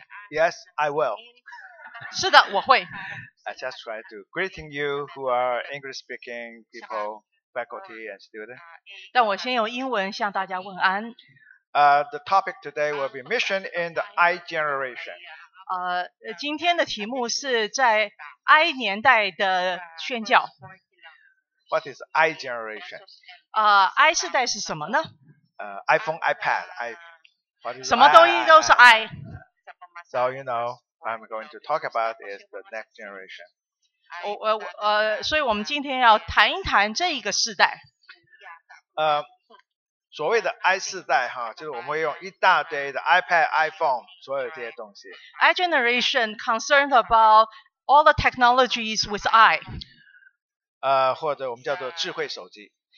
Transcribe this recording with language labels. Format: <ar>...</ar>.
<en>Yes, I will.</en> <zh>是的，我会。</zh> <en>I just try to greeting you who are English-speaking people, faculty and students.</en> <zh>但我先用英文向大家问安。</zh> <en>The topic today will be mission in the I generation.</en> <zh>今天的题目是在 I 年代的宣教。</zh> <en>What is I generation?</en> <zh>I 世代是什么呢？</zh> <en>iPhone, iPad, I. What is</en> <zh>什么东西都是 I.</zh> <en>So you know, I'm going to talk about is the next generation.</en> <zh>所以我们今天要谈一谈这一个世代。所谓的 I 世代哈，就是我们会用一大堆的 iPad, iPhone, 所有这些东西。</zh> <en>I generation concerned about all the technologies with I.</en> <zh>或者我们叫做智慧手机。</zh>